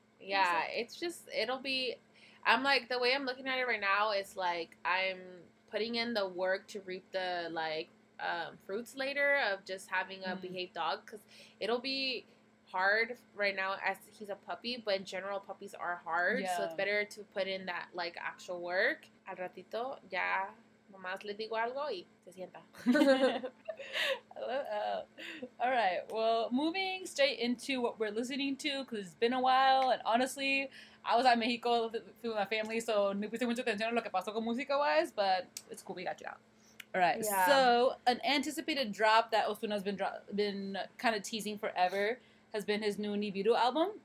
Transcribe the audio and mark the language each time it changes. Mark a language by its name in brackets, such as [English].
[English] Yeah, it's just, it'll be, I'm like, the way I'm looking at it right now is like, I'm putting in the work to reap the like fruits later of just having a behaved dog because it'll be hard right now as he's a puppy, but in general puppies are hard, so it's better to put in that like actual work. [Spanish] Al ratito ya nomás le digo algo y se sienta. [English] All right, well, moving straight into what we're listening to, because it's been a while, and honestly I was at Mexico with my family, so [Spanish] no puse mucha atención a lo que pasó con música [English] wise, but it's cool, we got you out. All right, so an anticipated drop that Ozuna's been kind of teasing forever has been his new Nibiru album.